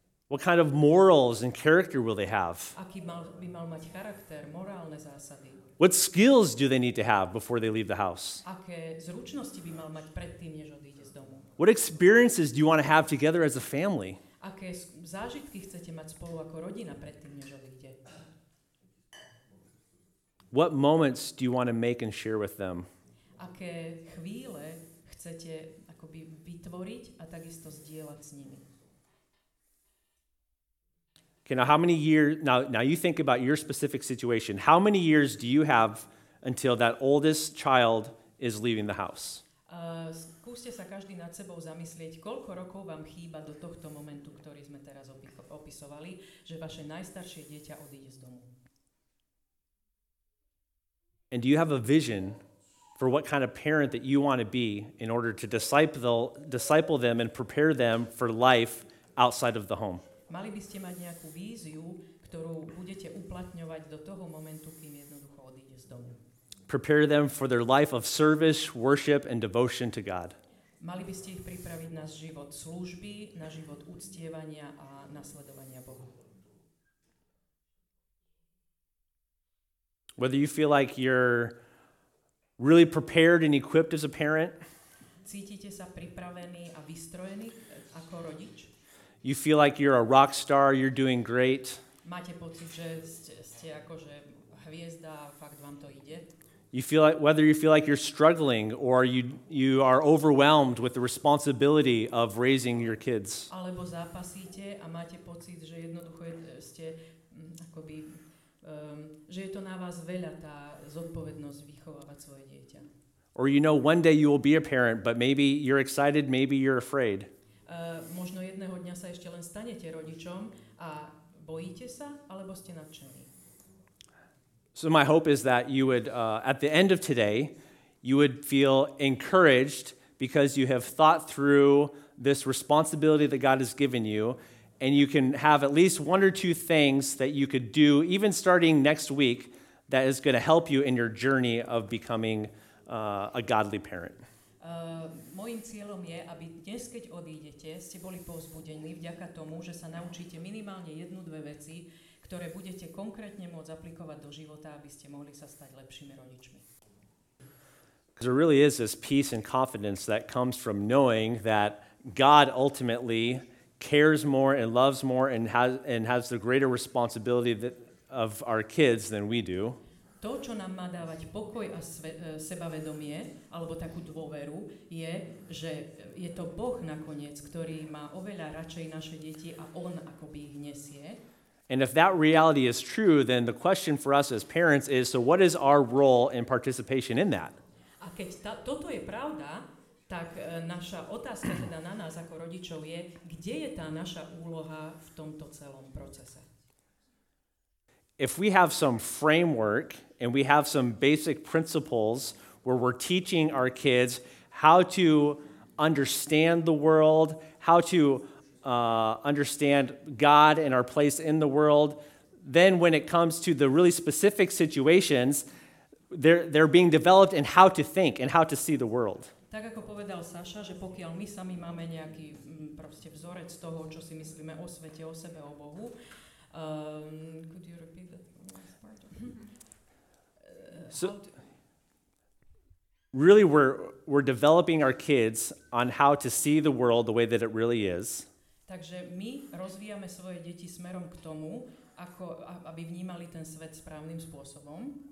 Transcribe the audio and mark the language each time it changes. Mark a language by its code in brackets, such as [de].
[en] What kind of morals and character will they have? [sk] Aký by mal mať charakter, morálne zásady? [en] What skills do they need to have before they leave the house? [sk] Aké zručnosti by mal mať predtým, než odíde z domu? [en] What experiences do you want to have together as a family? [sk] Aké zážitky chcete mať spolu ako rodina predtým, než odíde? [en] What moments do you want to make and share with them? [sk] Aké chvíle chcete akoby vytvoriť a takisto zdieľať s nimi? [en] Okay, now how many years, now you think about your specific situation. How many years do you have until that oldest child is leaving the house? [sk] Skúste sa každý nad sebou zamyslieť, koľko rokov vám chýba do tohto momentu, ktorý sme teraz opisovali, že vaše najstaršie dieťa odíde z domu. [en] And do you have a vision for what kind of parent that you want to be in order to disciple them and prepare them for life outside of the home? [sk] Mali by ste mať nejakú víziu, ktorú budete uplatňovať do toho momentu, kým jednoducho odíde z domu. [en] Prepare them for their life of service, worship and devotion to God. [sk] Mali by ste ich pripraviť na život služby, na život uctievania a nasledovania Boha. [en] Whether you feel like you're really prepared and equipped as a parent, [sk] cítite sa pripravený a vystrojený ako rodič? [en] You feel like you're a rock star, you're doing great. [sk] Máte pocit, že ste akože hviezda, fakt vám to ide? [en] You feel like, whether you feel like you're struggling or you are overwhelmed with the responsibility of raising your kids. [sk] Alebo zápasíte a máte pocit, že jednoducho ste akoby že je to na vás veľa tá zodpovednosť vychovávať svoje dieťa. [en] Or you know one day you will be a parent, but maybe you're excited, maybe you're afraid. [sk] Možno jedného dňa sa ešte len stanete rodičom a bojíte sa, alebo ste nadšení. [en] So my hope is that you would, at the end of today, you would feel encouraged because you have thought through this responsibility that God has given you, and you can have at least one or two things that you could do, even starting next week, that is going to help you in your journey of becoming a godly parent. [sk] Mojím cieľom je, aby dnes, keď odídete, ste boli povzbudení vďaka tomu, že sa naučíte minimálne jednu, dve veci, ktoré budete konkrétne môcť aplikovať do života, aby ste mohli sa stať lepšími rodičmi. [en] Because there really is this peace and confidence that comes from knowing that God ultimately cares more and loves more and has the greater responsibility of our kids than we do. [sk] To, čo nám má dávať pokoj a sebavedomie, alebo takú dôveru, je, že je to Boh nakoniec, ktorý má oveľa radšej naše deti a On akoby ich nesie. [en] And if that reality is true, then the question for us as parents is, so what is our role in participation in that? [sk] A keď toto je pravda, tak naša otázka teda na nás ako rodičov je, kde je tá naša úloha v tomto celom procese? [en] If we have some framework and we have some basic principles where we're teaching our kids how to understand the world, how to understand God and our place in the world, then when it comes to the really specific situations, they're being developed in how to think and how to see the world. [sk] Tak ako povedal Saša, že pokiaľ my sami máme nejaký proste vzorec toho, čo si myslíme o svete, o sebe, o Bohu, [en] could you repeat that last part? So, really we're developing our kids on how to see the world the way that it really is. [sk] Takže my rozvíjame svoje deti smerom k tomu, ako aby vnímali ten svet správnym spôsobom.